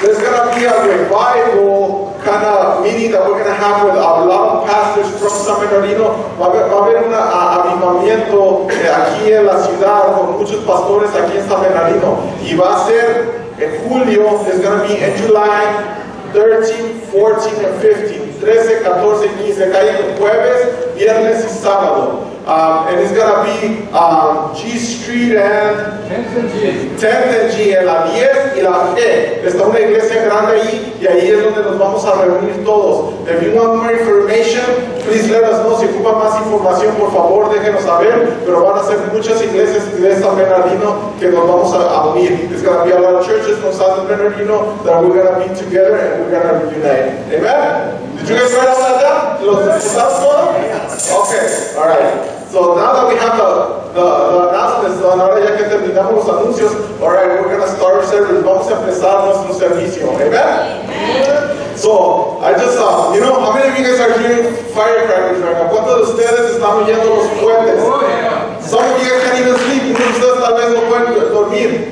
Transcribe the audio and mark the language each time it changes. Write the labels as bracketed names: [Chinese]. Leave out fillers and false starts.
[English] There's gonna be a revival kind of meeting that we're gonna have with a lot of pastors from San Bernardino. [Spanish] Va a haber un avivamiento aquí en la ciudad con muchos pastores aquí en San Bernardino. Y va a ser en julio. [English] It's gonna be in July 13, 14, and 15. [Spanish] 13, 14, 15. Cae en jueves, viernes y sábado. [English] And it's going to be G Street and 10th and G. 10th and G, [Spanish] la 10 y la G. Está una iglesia grande ahí, y ahí es donde nos vamos a reunir todos. [English] If you want more information, please let us know. [Spanish] Si ocupa más información, por favor, déjenos saber. Pero van a ser muchas iglesias de San Bernardino que nos vamos a unir. [English] It's going to be a lot of churches from San Bernardino that we're going to be together and we're going to reunite. Amen? Did you guys write all that down? [Spanish] ¿Los disfrutamos todo? [English] Okay, all right. So now that we have the announcements, [Spanish] ahora ya que terminamos los anuncios, [English] all right, we're going to start our service. [Spanish] Vamos a empezar nuestro servicio. Amen? [English] Amen. So, I just saw, how many of you guys are hearing firecrackers right now? [Spanish] ¿Cuántos de ustedes están oyendo los puentes? [English] Oh, yeah. Some of you guys can't even sleep. [Spanish] Muchos de ustedes tal vez no pueden dormir.